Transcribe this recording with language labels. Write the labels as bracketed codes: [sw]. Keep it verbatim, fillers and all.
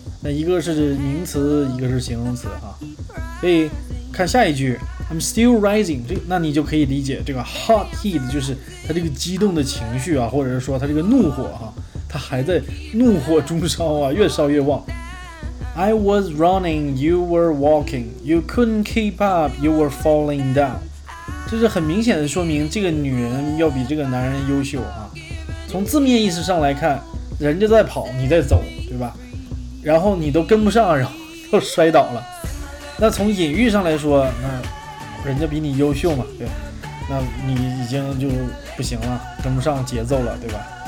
[zh] 那一个是名词，一个是形容词啊。所以看下一句 [en] I'm still rising， [zh] 这那你就可以理解这个 [en] hot heat [zh] 就是他这个激动的情绪啊，或者是说他这个怒火啊，他还在怒火中烧啊，越烧越旺。 [en] I was running, you were walking, you couldn't keep up, you were falling down。 [zh] 这是很明显的说明这个女人要比这个男人优秀啊。从字面意思上来看，人家在跑你在走，对吧？然后你都跟不上，然后又摔倒了。那从隐喻上来说，那人家比你优秀嘛，对，那你已经就不行了，跟不上节奏了，对吧？